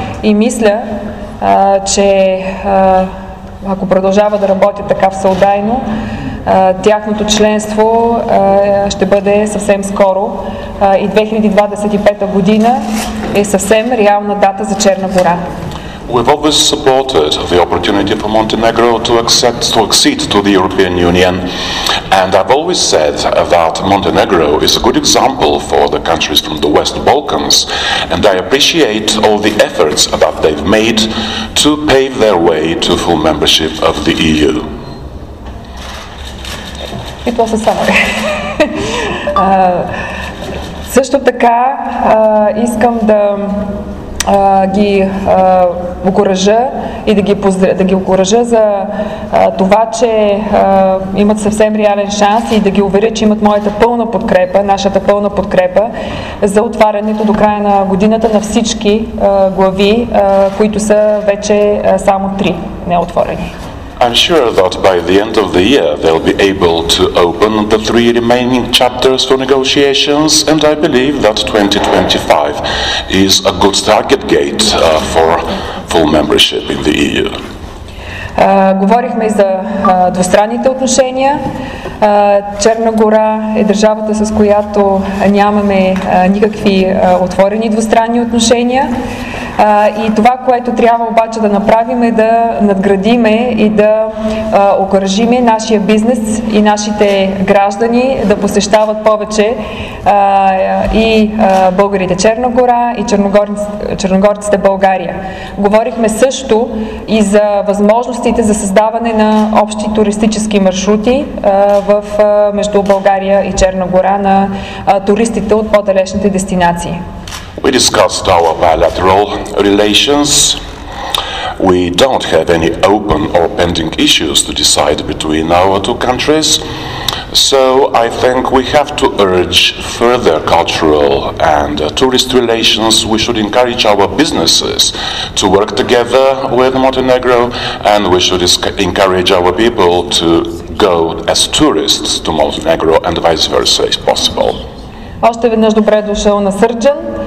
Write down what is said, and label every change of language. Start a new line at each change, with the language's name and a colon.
Bulgarian: И мисля, че ако продължава да работя така всеотдайно, тяхното членство ще бъде съвсем скоро и 2025 година е съвсем реална дата за Черна гора.
English: We've always supported the opportunity for Montenegro to accede to the European Union, and I've always said that Montenegro is a good example for the countries from the West Balkans, and I appreciate all the efforts that they've made to pave their way to full membership of the EU. It was a summary.
Bulgarian: Също така искам да ги окуража и да ги окуража за това, че имат съвсем реален шанс и да ги уверя, че имат моята пълна подкрепа, нашата пълна подкрепа за отварянето до края на годината на всички глави, които са вече само три неотворени.
English: I'm sure that by the end of the year they'll be able to open the three remaining chapters for negotiations, and I believe that 2025 is a good target gate for full membership in the EU.
Bulgarian: Говорихме за двустранните отношения. Черна гора е държавата, с която нямаме никакви отворени двустранни отношения. И това, което трябва обаче да направим, е да надградиме и да окоръжиме нашия бизнес и нашите граждани да посещават повече и българите Черна гора и черногорците България. Говорихме също и за възможностите за създаване на общи туристически маршрути между България и Черна гора на туристите от по-далечните дестинации.
English: We discussed our bilateral relations. We don't have any open or pending issues to decide between our two countries. So I think we have to urge further cultural and tourist relations. We should encourage our businesses to work together with Montenegro, and we should encourage our people to go as tourists to Montenegro and vice versa, if possible.
Bulgarian: Още веднъж добре дошъл на Сърджан.